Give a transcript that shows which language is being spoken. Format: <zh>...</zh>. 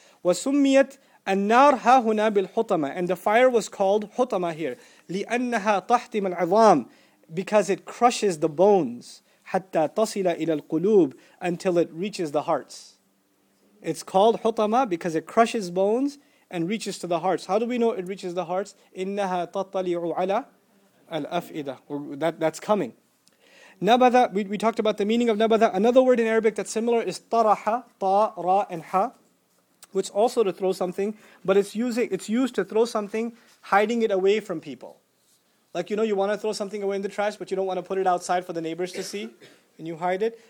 <ar>وَسُمِّيَتْ النَّارْ هَا هُنَا بِالْحُطَمَةِ</ar> <en>And the fire was called حُطَمَةِ here.</en> <ar>لِأَنَّهَا تَحْتِمَ الْعِظَامِ</ar> <en>Because it crushes the bones.</en> <ar>حَتَّى تَصِلَ إِلَى الْقُلُوبِ</ar> <en>Until it reaches the hearts. It's called حُطَمَةِ because it crushes bones and reaches to the hearts. How do we know it reaches the hearts?</en> <ar>إِنَّهَا تَطَّلِعُ عَلَى الْأَفْئِدَةِ</ar> <en>That's coming. Nabatha, we talked about the meaning of nabatha. Another word in Arabic that's similar is taraha, ta, ra, and ha, which also to throw something, but it's used to throw something, hiding it away from people. Like, you know, you want to throw something away in the trash, but you don't want to put it outside for the neighbors to see, and you hide it.</en>